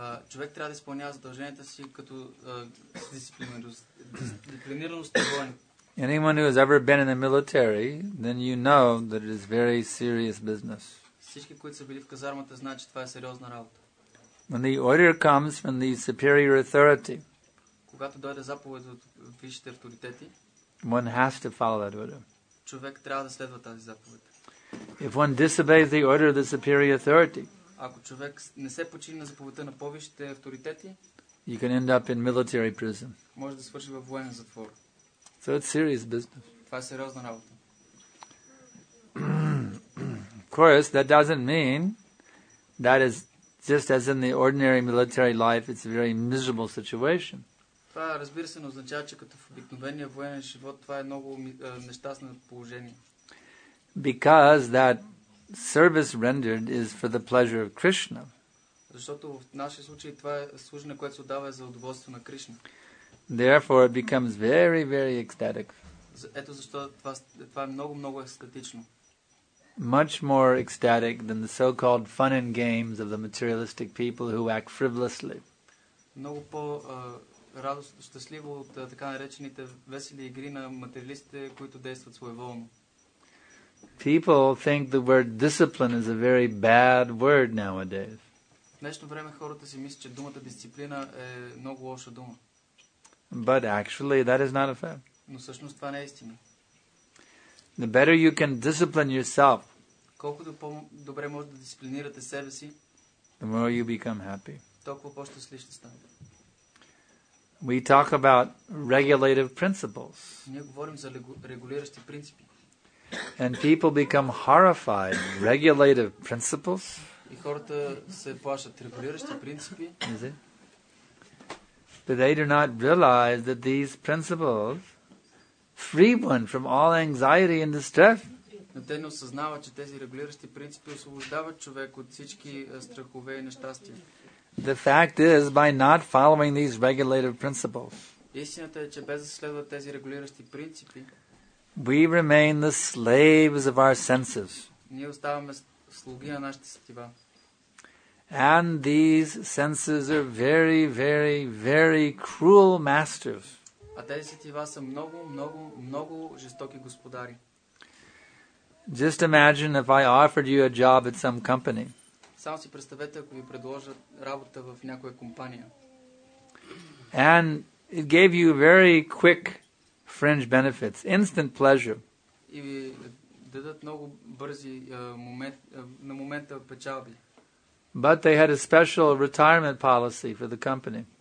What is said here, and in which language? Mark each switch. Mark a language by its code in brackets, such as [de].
[bg] Човек трябва да изпълнява задълженията си като дисциплинирано стъпване. [en] Anyone who has ever been in the military, then you know that it is very serious business. [bg] Всички, които са били в казармата, знаят, че това е сериозна работа. [en] When the order comes from the superior authority, [bg] когато дойде заповед от висшите авторитети, [en] one has to follow that order. [bg] Човек трябва да следва тази заповед. [en] If one disobeys the order of the superior authority, [bg] ако човек не се подчини на заповедта на повишите авторитети, [en] you can end up in military prison. [bg] Може да свърши във военен затвор. [en] So it's serious business. [bg] Това е сериозна работа. [en] Of course, that doesn't mean that is just as in the ordinary military life, it's a very miserable situation. [bg] Това, разбира се, не означава, че като в обикновения военен живот, това е много нещастно положение. [en] Because that service rendered is for the pleasure of Krishna. [bg] Защото в нашия случай това е служене, което се отдава за удоволствие на Кришна. [en] Therefore it becomes very, very ecstatic. [bg] Ето защо това е много, много екстатично. [en] Much more ecstatic than the so-called fun and games of the materialistic people who act frivolously. [bg] Много по-радостно, щастливо от така наречените весели игри на материалистите, които действат своеволно. [en] People think the word discipline is a very bad word nowadays. [bg] В днешно време хората си мислят, че думата дисциплина е много лоша дума. [en] But actually that is not a fact. [bg] Но всъщност това не е истина. [en] The better you can discipline yourself, [bg] колкото по-добре можете да дисциплинирате себе си, [en] the more you become happy. [bg] Толкова по-щастлив ще станете. [en] We talk about regulative principles. [bg] Ние говорим за регулиращи принципи. [en] And people become horrified. Regulative principles. [bg] И хората се плашат регулиращи принципи. [en] Is it? But they do not realize that these principles free one from all anxiety and distress. [bg] Но те не осъзнават, че тези регулиращи принципи освобождават човек от всички страхове и нещастия. [en] The fact is, by not following these regulative principles, [bg] истината е, че без да следват тези регулиращи принципи, [en] we remain the slaves of our senses. [bg] Ние оставаме слуги на нашите сетива. [en] And these senses are very, very, very cruel masters. [bg] А тези сетива са много, много, много жестоки господари. [en] Just imagine if I offered you a job at some company. [bg] Само си представете, ако ви предложа работа в някоя компания. [en] And it gave you very quick fringe benefits, instant pleasure. [bg] И ви дадат много бързи на момента печалби. [en] But they had a special retirement policy for the company.